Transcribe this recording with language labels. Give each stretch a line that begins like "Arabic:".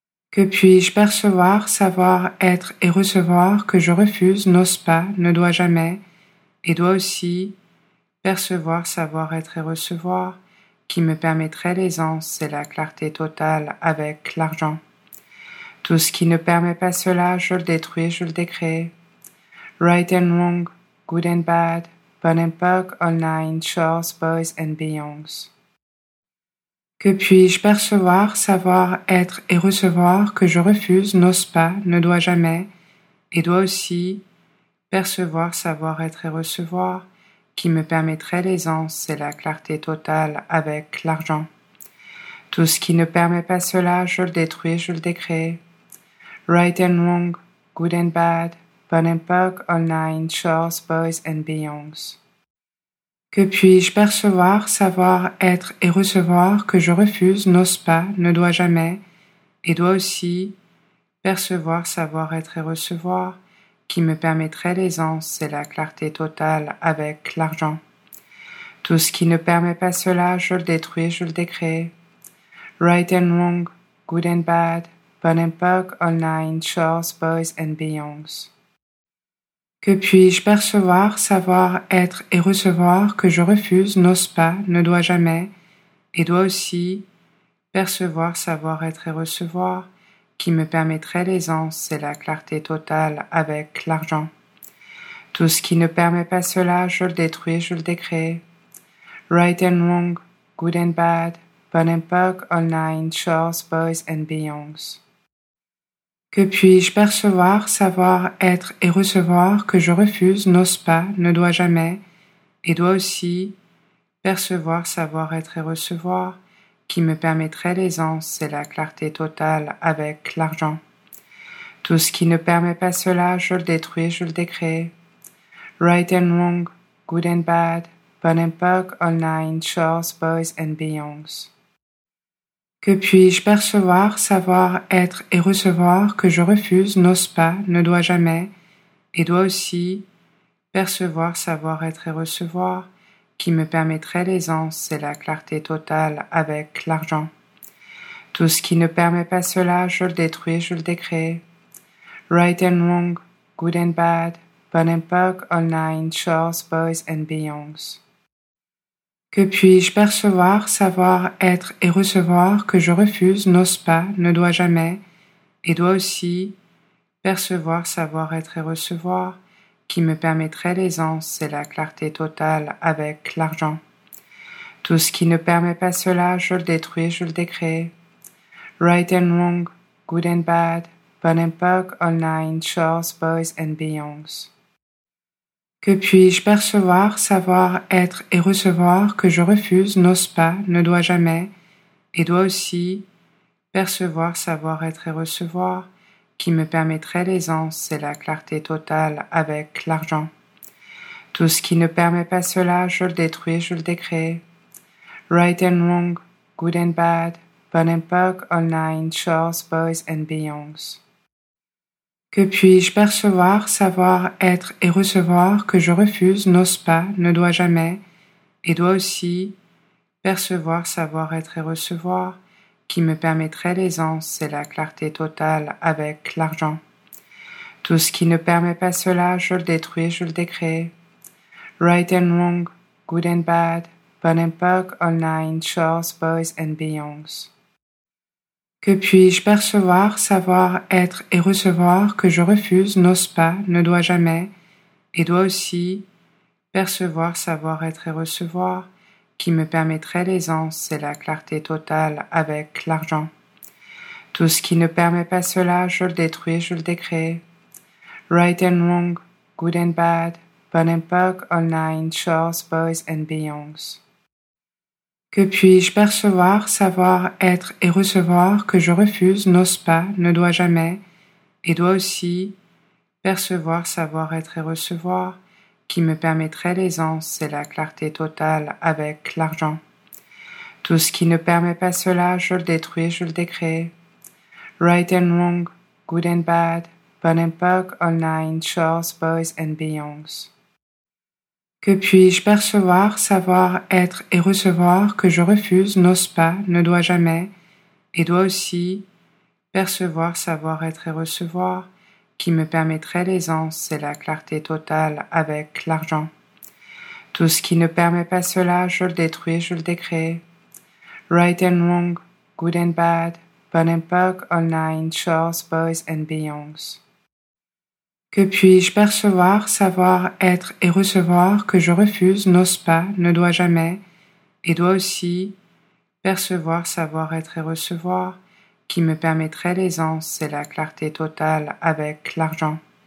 French: Que puis-je percevoir, savoir, être et recevoir que je refuse, n'ose pas, ne dois jamais, et dois aussi percevoir, savoir, être et recevoir qui me permettrait l'aisance et la clarté totale avec l'argent. Tout ce qui ne permet pas cela, je le détruis, je le décrée.
English: Right and wrong, good and bad, bon and poc, all nine, shorts, boys and beyonds.
French: Que puis-je percevoir, savoir, être et recevoir que je refuse, n'ose pas, ne dois jamais, et dois aussi percevoir, savoir, être et recevoir qui me permettrait l'aisance et la clarté totale avec l'argent. Tout ce qui ne permet pas cela, je le détruis, je le décrée.
English: Right and wrong, good and bad, bon and poc, all nine, shorts, boys and beyonds.
French: Que puis-je percevoir, savoir, être et recevoir que je refuse, n'ose pas, ne dois jamais, et dois aussi percevoir, savoir, être et recevoir qui me permettrait l'aisance et la clarté totale avec l'argent. Tout ce qui ne permet pas cela, je le détruis, je le décrée.
English: Right and wrong, good and bad, bon and poc, all nine, shorts, boys and beyonds.
French: Que puis-je percevoir, savoir, être et recevoir que je refuse, n'ose pas, ne dois jamais, et dois aussi percevoir, savoir, être et recevoir qui me permettrait l'aisance et la clarté totale avec l'argent. Tout ce qui ne permet pas cela, je le détruis, je le décrée.
English: Right and wrong, good and bad, bon and poc, all nine, shorts, boys and beyonds.
French: Que puis-je percevoir, savoir, être et recevoir que je refuse, n'ose pas, ne dois jamais, et dois aussi percevoir, savoir, être et recevoir qui me permettrait l'aisance et la clarté totale avec l'argent. Tout ce qui ne permet pas cela, je le détruis, je le décrée.
English: Right and wrong, good and bad, bon and poc, all nine, shorts, boys and beyonds.
French: Que puis-je percevoir, savoir, être et recevoir que je refuse, n'ose pas, ne dois jamais, et dois aussi percevoir, savoir, être et recevoir qui me permettrait l'aisance et la clarté totale avec l'argent. Tout ce qui ne permet pas cela, je le détruis, je le décrée.
English: Right and wrong, good and bad, bon and poc, all nine, shorts, boys and beyonds.
French: Que puis-je percevoir, savoir, être et recevoir que je refuse, n'ose pas, ne dois jamais, et dois aussi percevoir, savoir, être et recevoir qui me permettrait l'aisance et la clarté totale avec l'argent. Tout ce qui ne permet pas cela, je le détruis, je le décrée.
English: Right and wrong, good and bad, bon and poc, all nine, shorts, boys and beyonds.
French: Que puis-je percevoir, savoir, être et recevoir que je refuse, n'ose pas, ne dois jamais, et dois aussi percevoir, savoir, être et recevoir qui me permettrait l'aisance et la clarté totale avec l'argent. Tout ce qui ne permet pas cela, je le détruis, je le décrée.
English: Right and wrong, good and bad, bon and poc, all nine, shorts, boys and beyonds.
French: Que puis-je percevoir, savoir, être et recevoir que je refuse, n'ose pas, ne dois jamais, et dois aussi percevoir, savoir, être et recevoir qui me permettrait l'aisance et la clarté totale avec l'argent. Tout ce qui ne permet pas cela, je le détruis, je le décrée.
English: Right and wrong, good and bad, bon and poc, all nine, shorts, boys and beyonds.
French: Que puis-je percevoir, savoir, être et recevoir que je refuse, n'ose pas, ne dois jamais, et dois aussi percevoir, savoir, être et recevoir qui me permettrait l'aisance et la clarté totale avec l'argent. Tout ce qui ne permet pas cela, je le détruis, je le décrée.
English: Right and wrong, good and bad, bon and poc, all nine, shorts, boys and beyonds.
French: Que puis-je percevoir, savoir, être et recevoir que je refuse, n'ose pas, ne dois jamais, et dois aussi percevoir, savoir, être et recevoir qui me permettrait l'aisance et la clarté totale avec l'argent. Tout ce qui ne permet pas cela, je le détruis, je le décrée.
English: Right and wrong, good and bad, bon and poc, all nine, shorts, boys and beyonds.
French: Que puis-je percevoir, savoir, être et recevoir que je refuse, n'ose pas, ne dois jamais, et dois aussi percevoir, savoir être et recevoir, qui me permettrait l'aisance et la clarté totale avec l'argent. Tout ce qui ne permet pas cela, je le détruis, je le décrée.
English: Right and wrong, good and bad, bon and poc, all nine, shorts, boys and beyonds.
French: Que puis-je percevoir, savoir, être et recevoir que je refuse, n'ose pas, ne dois jamais, et dois aussi percevoir, savoir, être et recevoir qui me permettrait l'aisance et la clarté totale avec l'argent.